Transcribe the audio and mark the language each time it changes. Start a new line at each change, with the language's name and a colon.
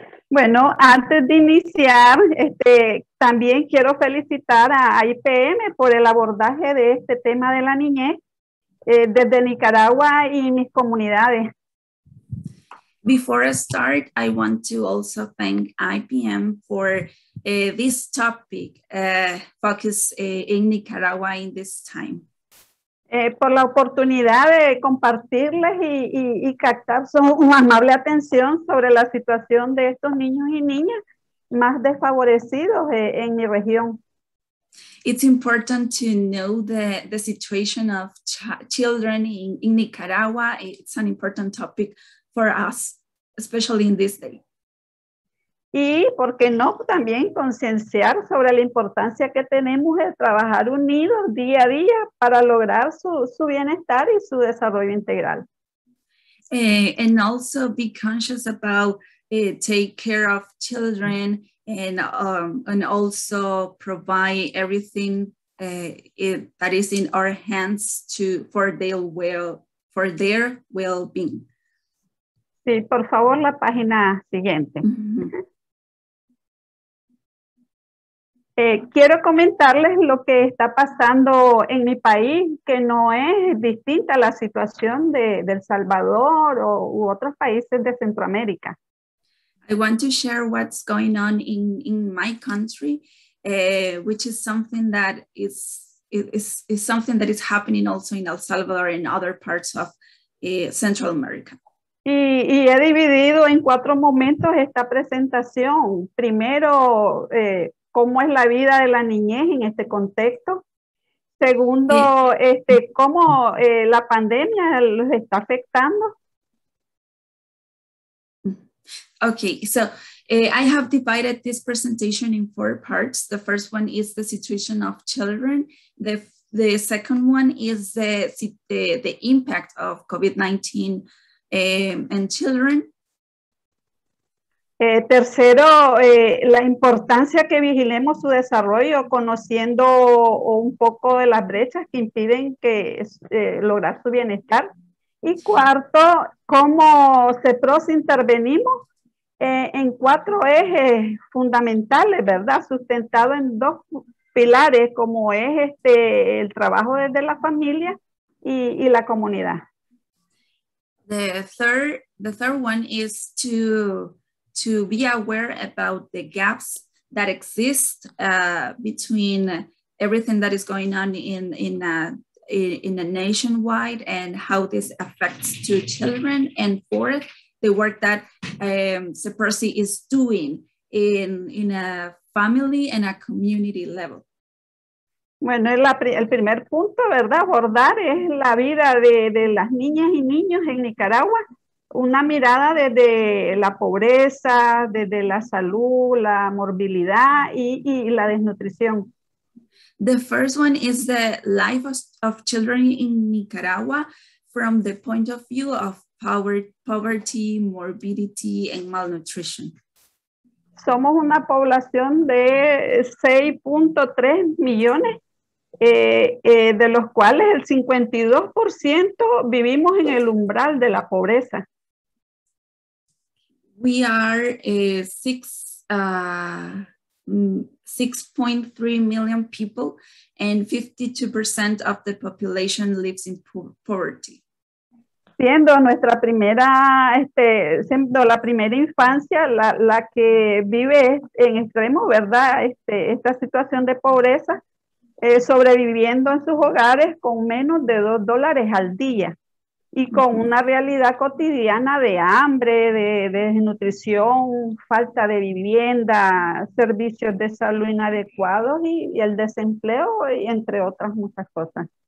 Spanish: Bueno, antes de iniciar, también quiero felicitar a IPM por el abordaje de este tema de la niñez desde Nicaragua y mis comunidades.
English: Before I start, I want to also thank IPM for this topic focused in Nicaragua in this time.
Spanish: Por la oportunidad de compartirles y captar su amable atención sobre la situación de estos niños y niñas más desfavorecidos en mi región.
English: It's important to know the situation of children in Nicaragua. It's an important topic for us. Especially in this day.
Spanish: Y por qué no también concienciar sobre la importancia que tenemos de trabajar unidos día a día para lograr su bienestar y su desarrollo integral.
English: And also be conscious about take care of children and also provide everything that is in our hands for their well-being.
Spanish: Sí, por favor, la página siguiente. Quiero comentarles lo que está pasando en mi país, que no es distinta a la situación de El Salvador u otros países de Centroamérica. I want to share what's going on in my country, which is something that is something that is happening also in El Salvador and other parts of Central America. Y he dividido en cuatro momentos esta presentación. Primero, cómo es la vida de la niñez en este contexto. Segundo, cómo la pandemia los está afectando.
English: Okay, so I have divided this presentation in four parts. The first one is the situation of children. The second one is the impact of COVID-19. And children.
Spanish: Tercero, la importancia que vigilemos su desarrollo, conociendo un poco de las brechas que impiden que lograr su bienestar. Y cuarto, cómo CEPROS intervenimos en cuatro ejes fundamentales, ¿verdad? Sustentado en dos pilares, como es el trabajo desde la familia y la comunidad.
English: The third one is to be aware about the gaps that exist between everything that is going on in a nationwide and how this affects to children. And fourth, the work that CEPROSI is doing in a family and a community level.
Spanish: Bueno, el primer punto, ¿verdad? Abordar es la vida de las niñas y niños en Nicaragua. Una mirada desde la pobreza, desde la salud, la morbilidad y la desnutrición.
English: The first one is the life of children in Nicaragua from the point of view of poverty, morbidity and malnutrition.
Spanish: Somos una población de 6.3 millones. De los cuales el 52% vivimos en el umbral de la pobreza.
English: We are 6.3 million people and 52% of the population lives in poverty.
Spanish: siendo nuestra primera, siendo la primera infancia la que vive en extremo, ¿verdad? Esta situación de pobreza, sobreviviendo en sus hogares con menos de $2 al día y con una realidad cotidiana de hambre, de desnutrición, falta de vivienda, servicios de salud inadecuados y el desempleo, y entre otras muchas cosas.